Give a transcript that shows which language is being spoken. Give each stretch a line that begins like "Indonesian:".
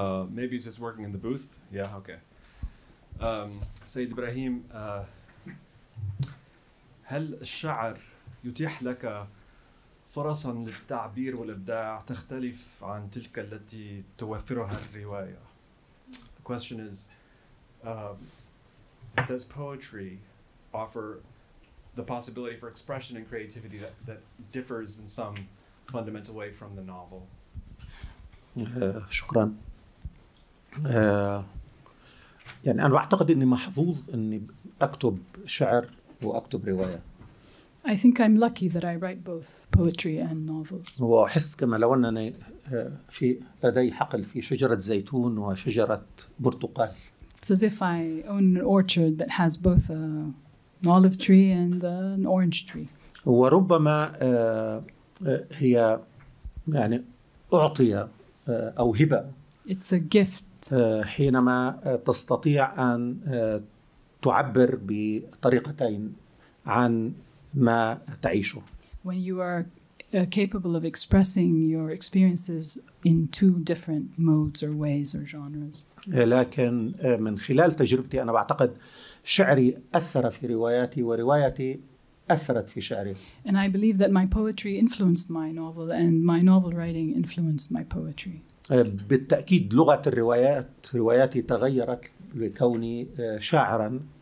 English: Maybe it's just working in the booth. Yeah, okay. Sayyid Ibrahim,
Arabic: هل الشعر يتيح لك فرصا للتعبير والإبداع تختلف عن تلك التي توفرها الرواية؟
English: The question is, does poetry offer the possibility for expression and creativity that differs in some fundamental way from the novel?
Arabic: شكرا. يعني أنا أعتقد أني محظوظ أني أكتب شعر وأكتب رواية.
English: I think I'm lucky that I write both poetry and novels.
Arabic: وأحس كما لو أنني في لدي حقل في شجرة زيتون وشجرة برتقال.
English: It's as if I own an orchard that has both an olive tree and an orange tree.
Arabic: وربما هي يعني أعطية أو هبة.
English: It's a gift.
Arabic: حينما تستطيع أن تعبر بطريقتين عن ما تعيشه.
English: When you are capable of expressing your experiences in two different modes or ways or genres.
Arabic: لكن من خلال تجربتي أنا أعتقد شعري أثر في رواياتي وروايتي أثرت في شعري.
English: And I believe that my poetry influenced my novel and my novel writing influenced my poetry.
Arabic: بالتأكيد لغة الروايات رواياتي تغيرت لكوني شاعرا.